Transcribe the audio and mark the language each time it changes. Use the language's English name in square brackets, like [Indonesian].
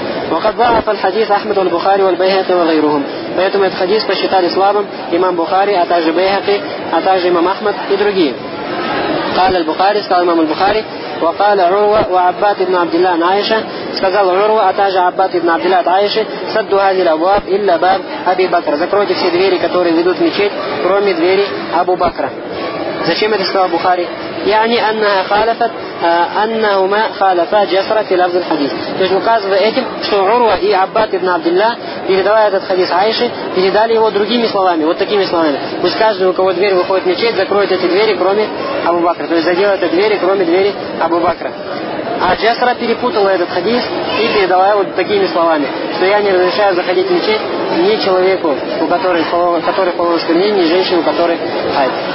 [Arabic] وقد ضعف الحديث أحمد البخاري والبيهقي وغيرهم. [Russian] поэтому этот хадис посчитали слабым имам Бухари, а также Байхаки, а также имам Ахмад и другие. [Arabic] قال البخاري [Russian] сказал имам [Arabic] البخاري. وقال عروة وعباد بن عبد الله عائشة [Russian] сказал [Arabic] عروة, [Russian] а также [Arabic] عباد بن عبد الله عائشة. سدوا هذه الأبواب إلا باب أبي بكر. [Russian] закройте все двери, которые ведут в мечеть, кроме двери Абу Бакра. зачем это сказал Бухари? [Arabic] يعني أنها خالفت أنهما خالفا جسر في لفظ الحديث. [Russian] То есть указывая этим, что Урва и Аббат ибн Абдилла, передавая этот хадис Айше, передали его другими словами, вот такими словами. Пусть каждый, у кого дверь выходит в мечеть, закроет эти двери, кроме Абу Бакра. То есть заделает эти двери, кроме двери Абу Бакра. А Джасра перепутала этот хадис и передала его такими словами, что я не разрешаю заходить в мечеть ни человеку, у которой половое искоренение, ни женщине, у которой хайд.